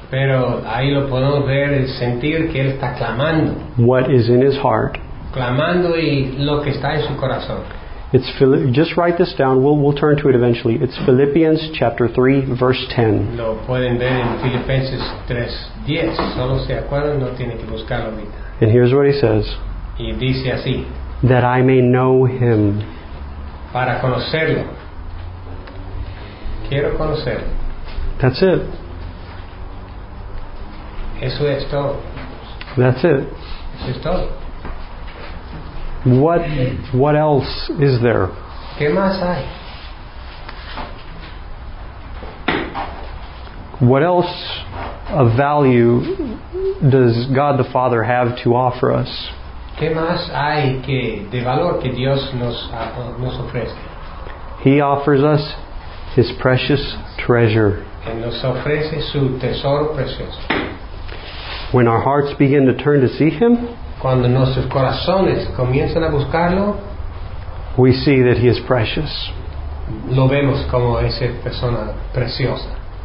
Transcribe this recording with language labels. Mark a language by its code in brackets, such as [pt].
[es] Pero ahí lo podemos ver el sentir que él está clamando. [en] What is in his heart? [es] Clamando y lo que está en su corazón. [en] It's just write this down. We'll turn to it eventually. It's Philippians chapter 3, verse 10. [es] Lo pueden ver en Filipenses 3:10. Solo se acuerdan, no tiene que buscarlo ahorita. [en] And here's what he says. [es] Y dice así. [en] That I may know him. [es] Para conocerlo. Quiero conocerlo. [en] That's it. [es] Eso es todo. [en] That's it. [es] Eso es todo. [en] What else is there? [es] ¿Qué más hay? [en] What else of value does God the Father have to offer us? [es] ¿Qué más hay de valor que Dios nos ofrece? [en] He offers us His precious treasure. [es] Él nos ofrece su tesoro precioso. [en] When our hearts begin to turn to see Him, [es] cuando nuestros corazones comienzan a buscarlo, [en] we see that He is precious. [es] Lo vemos como esa persona preciosa.